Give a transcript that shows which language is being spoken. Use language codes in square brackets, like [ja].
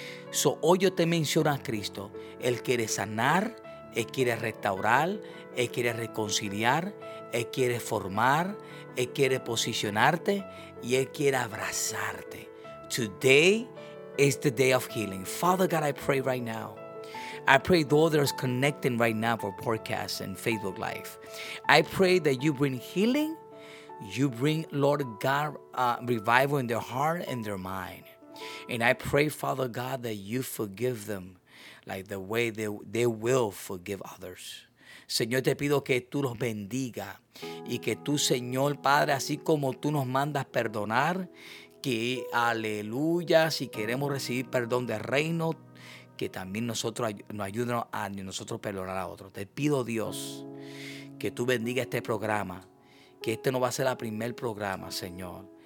[es] So, hoy yo te menciono a Cristo. Él quiere sanar, Él quiere restaurar, Él quiere reconciliar, Él quiere formar, Él quiere posicionarte y Él quiere abrazarte. [en] Today is the day of healing. Father God, I pray right now. I pray those that are connecting right now for podcasts and Facebook Live. I pray that you bring healing. You bring, Lord God, revival in their heart and their mind. And I pray, Father God, that you forgive them like the way they will forgive others. [es] Señor, te pido que tú los bendiga. Y que tú, Señor, Padre, así como tú nos mandas perdonar, que aleluya, si queremos recibir perdón del reino, que también nosotros nos ayuden a nosotros perdonar a otros. Te pido, Dios, que tú bendiga este programa, que este no va a ser el primer programa, Señor.